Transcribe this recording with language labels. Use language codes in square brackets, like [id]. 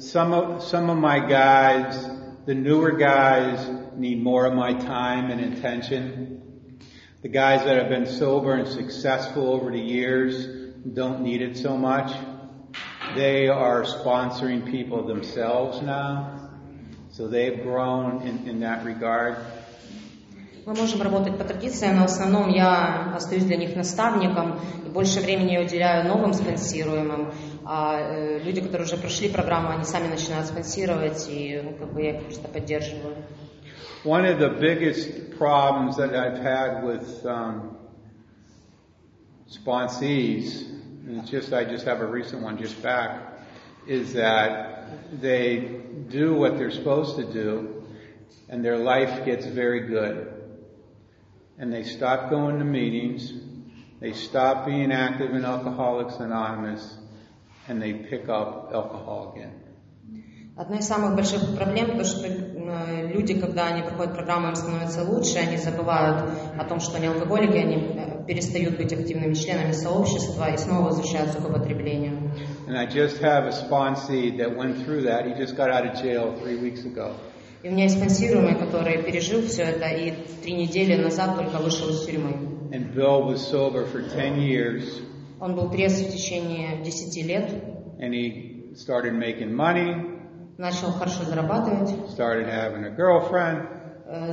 [en] Some of my guys, the newer guys, need more of my time and attention. The guys that have been sober and successful over the years don't need it so much. They are sponsoring people themselves now, so they've grown in that regard. [ru] Мы можем работать по традиции, но в основном я остаюсь для них наставником и больше времени я уделяю новым спонсируемым. А люди, которые уже прошли программу, они сами начинают спонсировать, и я их просто поддерживаю. [en] One of the biggest problems that I've had with sponsees, and it's just, I just have a recent one just back, is that they do what they're supposed to do, and their life gets very good. And they stop going to meetings, they stop being active in Alcoholics Anonymous, and they pick up alcohol again. [ru] Одна из самых больших проблем, то, что люди, когда они проходят программу, им становится лучше, они забывают о том, что они алкоголики, они перестают быть активными членами сообщества и снова возвращаются к употреблению. [en] And I just have a sponsee that went through that. He just got out of jail 3 weeks ago. [ru] И у меня есть спонсируемый, который пережил все это и 3 недели назад только вышел из тюрьмы. [en] And Bill was sober for 10 years. [ru] Он был трезв в течение 10 лет. [en] And he started making money. [ru] Начал хорошо зарабатывать. [en] Started having a girlfriend.